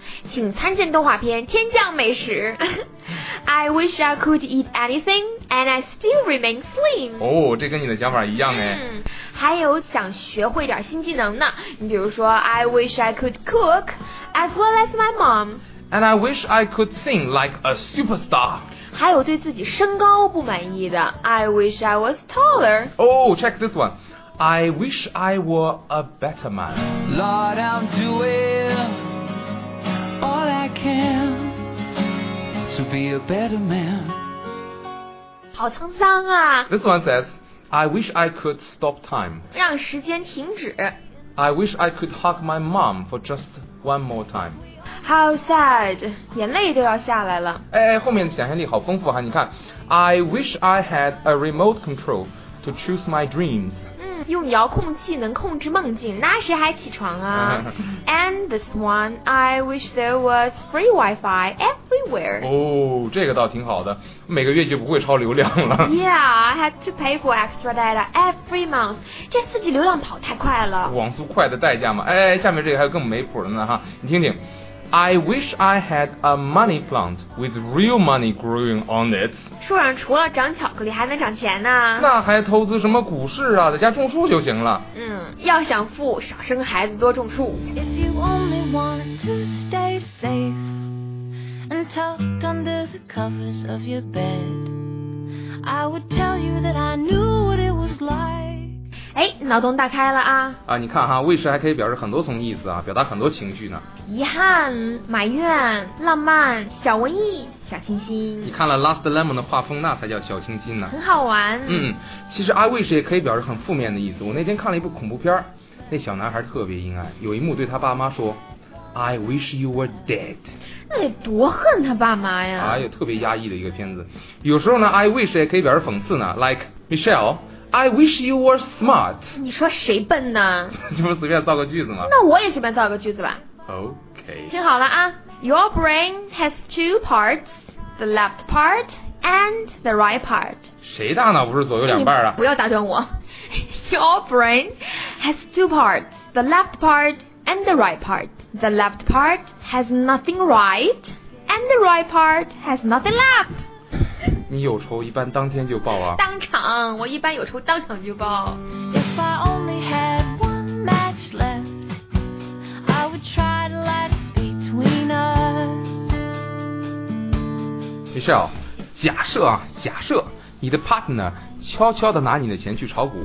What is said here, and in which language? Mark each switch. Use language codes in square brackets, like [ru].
[zh] 请参见动画片天降美食。 [en] I wish I could eat anything and I still remain slim。 [zh] 哦，这跟你的想法一样哎。还有想学会点新技能呢，你比如说 [en] I wish I could cook as well as my mom And I wish I could sing like a superstar. [zh] 还有对自己身高不满意的 [en] I wish I was taller. Oh, check this one. I wish I were a better man. Lord, I'm doing all I can to be a better man. [zh] 好沧桑啊。 [en] This one says, I wish I could stop time. [zh] 让时间停止。 [en] I wish I could hug my mom for just one more time. How sad， [zh] 眼泪都要下来了。哎，后面的想象力好丰富哈，你看 [en] I wish I had a remote control to choose my dreams。 [zh] 嗯，用遥控器能控制梦境，那谁还起床啊。 [en] And this one， I wish there was free wifi everywhere。 [zh] 哦，这个倒挺好的，每个月就不会超流量了。 [en] Yeah， I had to pay for extra data every month。 [zh] 这四 G 流量跑太快了，网速快的代价嘛。哎，下面这个还有更没谱的呢哈，你听听。 I wish I had a money plant with real money growing on it. 树上除了长巧克力还能长钱呢。那还投资什么股市啊，在家种树就行了。嗯，要想富少生孩子多种树。 [en] If you only want to stay safe and tucked under the covers of your bed, I would tell you that I knew what it was like. [zh] 哎，脑洞大开了啊。啊，你看哈，卫士还可以表示很多层意思啊，表达很多情绪呢。遗憾、埋怨、浪漫、小文艺、小清新。你看了 Last Lemon 的画风，那才叫小清新呢。很好玩。嗯，其实 I wish 也可以表示很负面的意思。我那天看了一部恐怖片，那小男孩特别阴暗，有一幕对他爸妈说 [en] I wish you were dead。 [zh] 那得多恨他爸妈呀。哎呦，特别压抑的一个片子。有时候呢 [en] I wish [zh] 也可以表示讽刺呢， [en] like Michelle I wish you were smart。 [zh] 你说谁笨呢？这不是随便造个句子吗？那我也随便造个句子吧。 [en] OK， [zh] 听好了啊。 [en] Your brain has two parts, the left part and the right part。 [zh] 谁大脑不是左右两半啊？不要打断我。 [en] Your brain has two parts, the left part and the right part。 The left part has nothing right, and the right part has nothing left. [zh] 你有仇一般当天就报啊。当场，我一般有仇当场就报。 [en] If I only had one match left, I would try to light it between us. [zh] Michelle, 假设啊，假设你的 partner 悄悄地拿你的钱去炒股。